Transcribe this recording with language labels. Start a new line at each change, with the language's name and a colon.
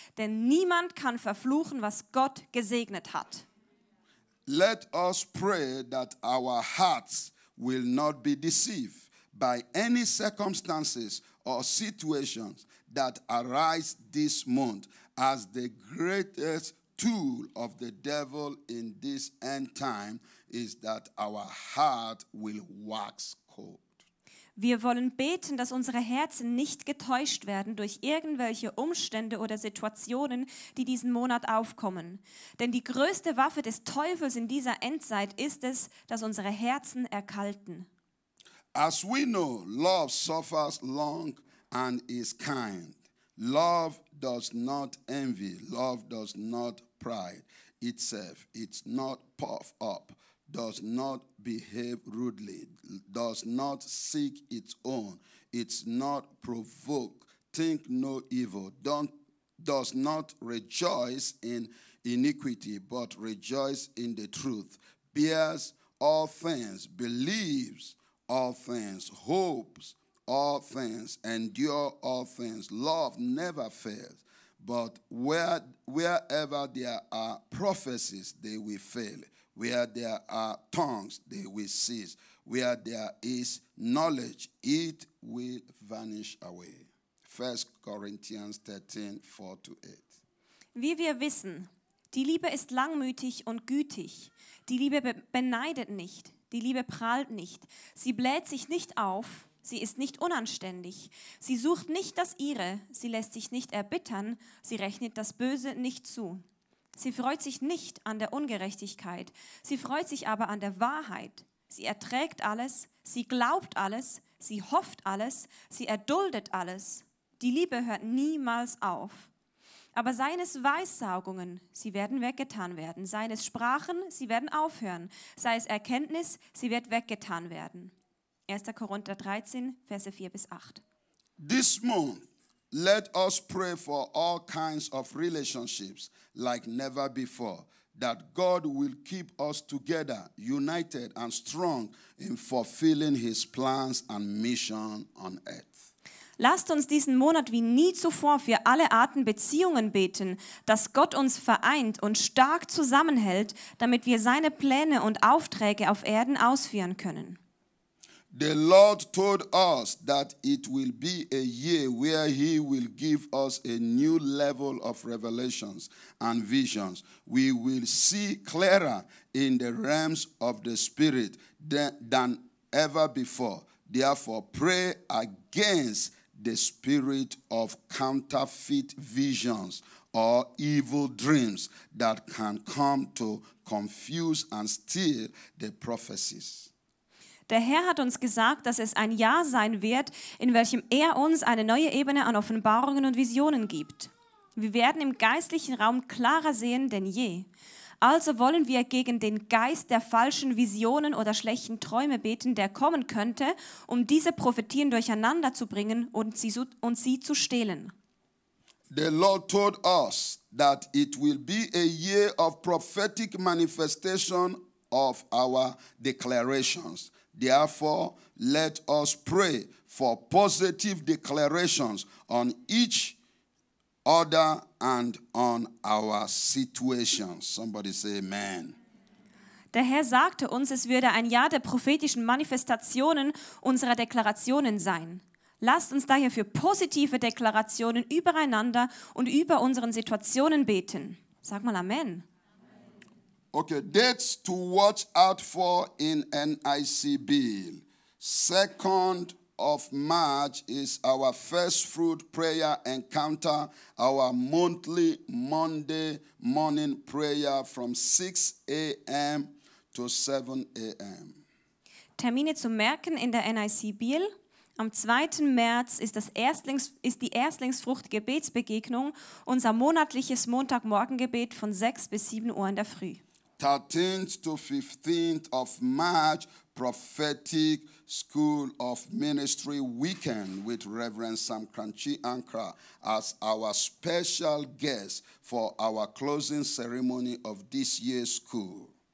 German: Denn niemand kann verfluchen, was Gott gesegnet hat.
English: Let us pray that our hearts will not be deceived by any circumstances or situations that arise this month, as the greatest tool of the devil in this end time is that our heart will wax cold.
German: Wir wollen beten, dass unsere Herzen nicht getäuscht werden durch irgendwelche Umstände oder Situationen, die diesen Monat aufkommen. Denn die größte Waffe des Teufels in dieser Endzeit ist es, dass unsere Herzen erkalten.
English: As we know, love suffers long and is kind. Love does not envy. Love does not pride itself. It's not puffed up. Does not behave rudely, does not seek its own, it's not provoked, think no evil, does not rejoice in iniquity, but rejoice in the truth, bears all things, believes all things, hopes all things, endures all things. Love never fails, but wherever there are prophecies, they will fail. Where there are tongues, they will cease. Where there is knowledge, it will vanish away. 1 Corinthians 13, 4-8.
German: Wie wir wissen, die Liebe ist langmütig und gütig. Die Liebe beneidet nicht. Die Liebe prahlt nicht. Sie bläht sich nicht auf. Sie ist nicht unanständig. Sie sucht nicht das Ihre. Sie lässt sich nicht erbittern. Sie rechnet das Böse nicht zu. Sie freut sich nicht an der Ungerechtigkeit, sie freut sich aber an der Wahrheit. Sie erträgt alles, sie glaubt alles, sie hofft alles, sie erduldet alles. Die Liebe hört niemals auf. Aber seien es Weissagungen, sie werden weggetan werden. Seien es Sprachen, sie werden aufhören. Sei es Erkenntnis, sie wird weggetan werden. 1. Korinther 13, Verse 4-8.
English: This month, let us pray for all kinds of relationships like never before, that God will keep us together, united and strong in fulfilling his plans and mission on earth.
German: Lasst uns diesen Monat wie nie zuvor für alle Arten Beziehungen beten, dass Gott uns vereint und stark zusammenhält, damit wir seine Pläne und Aufträge auf Erden ausführen können.
English: The Lord told us that it will be a year where he will give us a new level of revelations and visions. We will see clearer in the realms of the spirit than ever before. Therefore, pray against the spirit of counterfeit visions or evil dreams that can come to confuse and steal the prophecies.
German: Der Herr hat uns gesagt, dass es ein Jahr sein wird, in welchem er uns eine neue Ebene an Offenbarungen und Visionen gibt. Wir werden im geistlichen Raum klarer sehen denn je. Also wollen wir gegen den Geist der falschen Visionen oder schlechten Träume beten, der kommen könnte, um diese Prophetien durcheinander zu bringen und sie zu stehlen.
English: The Lord told us that it will be a year of prophetic manifestation of our declarations. Therefore, let us pray for positive declarations on each other and on our situations. Somebody say amen.
German: Der Herr sagte uns, es würde ein Jahr der prophetischen Manifestationen unserer Deklarationen sein. Lasst uns daher für positive Deklarationen übereinander und über unseren Situationen beten. Sag mal Amen.
English: Okay, dates to watch out for in NIC Bill. 2nd of March is our first fruit prayer encounter, our monthly Monday morning prayer from 6 a.m. to 7 a.m.
German: Termine zu merken in der NIC Bill. Am 2. März ist die Erstlingsfrucht-Gebetsbegegnung, unser monatliches Montagmorgengebet von 6 bis 7 Uhr in der Früh.
English: 13th to 15th of March, Prophetic School of Ministry Weekend with Reverend Sam Kranchi Ankra as our special guest for our closing ceremony of this year's school.